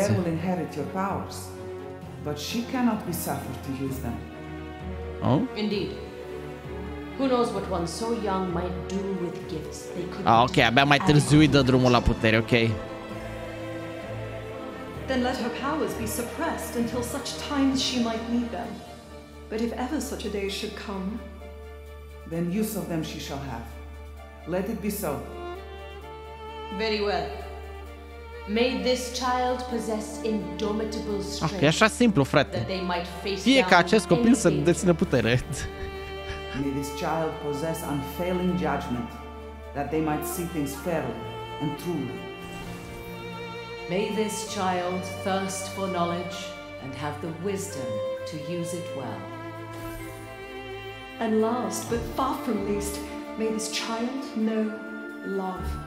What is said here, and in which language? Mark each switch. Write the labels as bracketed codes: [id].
[en] Your heir will inherit your powers, but she cannot be suffered to use them. Oh? Indeed. Who knows what one so young might do with gifts they could. [ro] Ah, okay, abia mai târziu îi dă drumul la putere, okay. [en] Then let her powers be suppressed until such times she might need them. But if ever such a day should come, then use of them she shall have. Let it be so. Very well. May this child possess indomitable strength. [ro] Okay, așa simplu, frate. Fie ca acest copil să dețină putere. [en] May this child possess unfailing judgment, that they might see things fairly and truly. May this child thirst for knowledge and have the wisdom to use it well. And last, but far from least, may this child know love.